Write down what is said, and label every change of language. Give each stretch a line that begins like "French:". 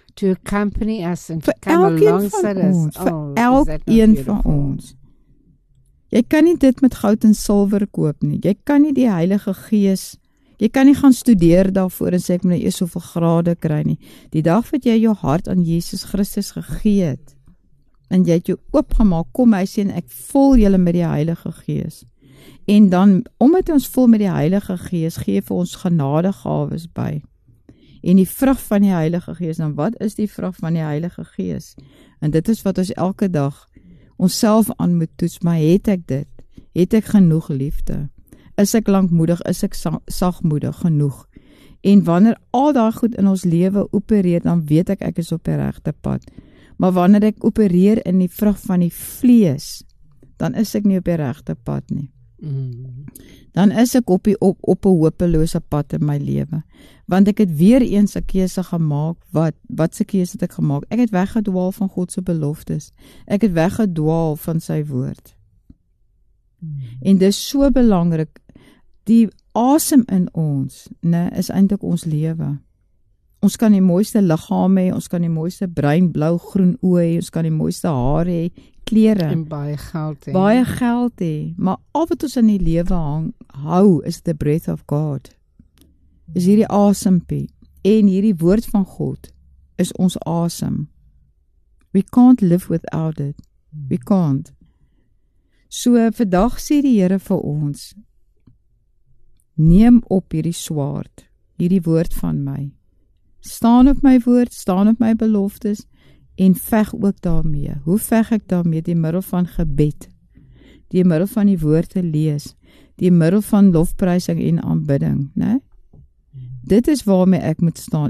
English: To accompany us and to come alongside us.
Afrikaans: Vir elk een van ons. Jy kan nie dit met goud en silver koop nie. Jy kan nie die Heilige Gees, jy kan nie gaan studeer daarvoor en sê ek moet nie eers soveel grade kry nie. Die dag wat jy jou hart aan Jesus Christus gegee het, en jy het jou oopgemaak, kom hy sê en ek vul julle met die Heilige Gees. En dan, omdat ons vul met die Heilige Gees, geef ons genadegawes by. En die vrug van die Heilige Gees, dan wat is die vrug van die Heilige Gees? En dit is wat ons elke dag onsself aan moet toets, maar het ek dit? Het ek genoeg liefde? Is ek langmoedig? Is ek sagmoedig genoeg? En wanneer al daai goed in ons lewe opereer, dan weet ek ek is op die regte pad. Maar wanneer ek opereer in die vrug van die vlees, dan is ek nie op die regte pad nie. Dan is ek op een hopelose pad in my lewe. Want ek het weer eens een keuse gemaak, wat se keuse het ek gemaak? Ek het weggedwaal van Godse beloftes. Ek het weggedwaal van sy woord. En dis so belangrik, die asem in ons, ne, is eintlik ons lewe. Ons kan die mooiste liggaam hê, ons kan die mooiste bruin, blou, groen oë hê, ons kan die mooiste haar hê, klere. En baie geld hê. Baie geld hê. Maar al wat ons in die lewe hang, hou, is
English: the breath of God.
Afrikaans: Is hierdie asempie. En hierdie woord van God is ons asem.
English: We can't live without it. We can't.
Afrikaans: So, vandag sê die Here vir ons, neem op hierdie swaard, hierdie woord van my. Staan op my woord, staan op my beloftes, en veg ook daarmee. Hoe veg ek daarmee? Die middel van gebed, die middel van die woord te lees, die middel van lofprysing en aanbidding. Nee? Dit is waarmee ek moet staan.